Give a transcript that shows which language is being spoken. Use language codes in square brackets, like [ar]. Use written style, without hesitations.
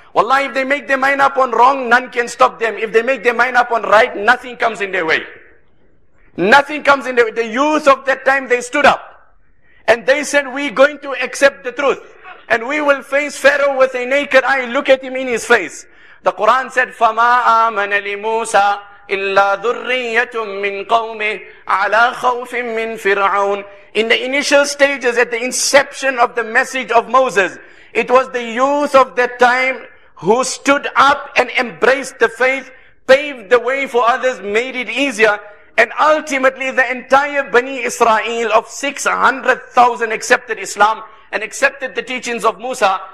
[en] Wallahi, if they make their mind up on wrong, none can stop them. If they make their mind up on right, nothing comes in their way. Nothing comes in their way. The youth of that time, they stood up. And they said, we're going to accept the truth. And we will face Pharaoh with a naked eye. Look at him in his face. The Quran said, [ar] فَمَا آمَنَ لِمُوسَىٰ إِلَّا ذُرِّيَّةٌ مِّن قَوْمِهِ عَلَىٰ خَوْفٍ مِّن فِرْعَوْنِ. [en] In the initial stages, at the inception of the message of Moses, it was the youth of that time who stood up and embraced the faith, paved the way for others, made it easier. And ultimately, the entire Bani Israel of 600,000 accepted Islam and accepted the teachings of Musa.